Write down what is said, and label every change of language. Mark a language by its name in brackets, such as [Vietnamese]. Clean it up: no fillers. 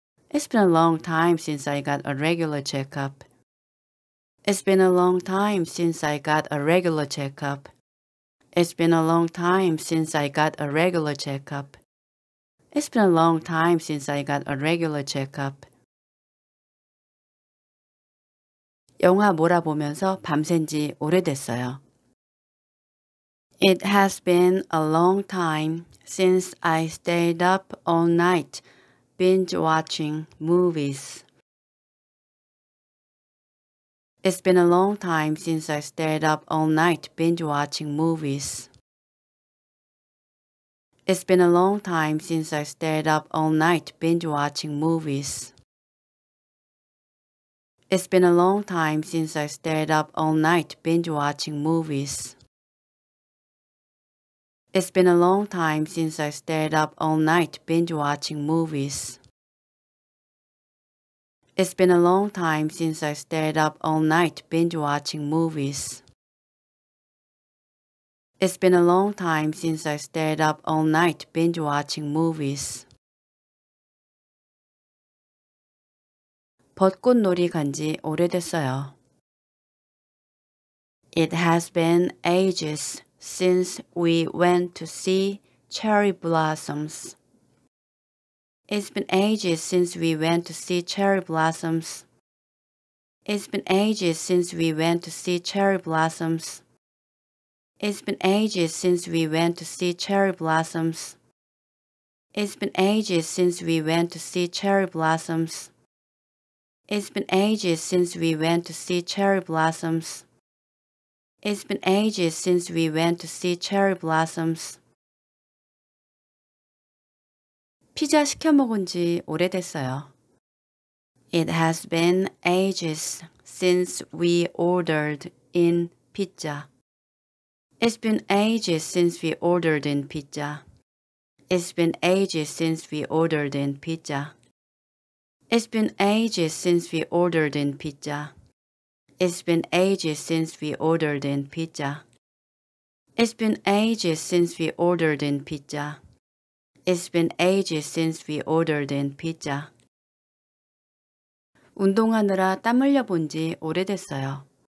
[English] It's been a long time since I got a regular checkup. It's been a long time since I got a regular checkup. It's been a long time since I got a regular checkup. It's been a long time since I got a regular checkup. [Korean] 영화 몰아보면서 밤샌 지 오래됐어요. [English] It has been a long time since I stayed up all night binge-watching movies. It's been a long time since I stayed up all night binge-watching movies. It's been a long time since I stayed up all night binge-watching movies. It's been a long time since I stayed up all night binge-watching movies. It's been a long time since I stayed up all night binge-watching movies. It's been a long time since I stayed up all night binge-watching movies. It's been a long time since I stayed up all night binge-watching movies. [Korean] 벚꽃놀이 간 지 오래됐어요. [English] It has been ages since we went to see cherry blossoms. It's been ages since we went to see cherry blossoms. It's been ages since we went to see cherry blossoms. It's been ages since we went to see cherry blossoms. It's been ages since we went to see cherry blossoms. It's been ages since we went to see cherry blossoms. It's been ages since we went to see cherry blossoms. [Korean] 피자 시켜 먹은 지 오래됐어요. [English] It has been ages since we ordered in pizza. It's been ages since we ordered in pizza. It's been ages since we ordered in pizza. It's been ages since we ordered in pizza. It's been ages since we ordered in pizza. It's been ages since we ordered in pizza. It's been ages since we ordered in pizza. [Korean] 운동하느라 땀 흘려 본 지 오래됐어요.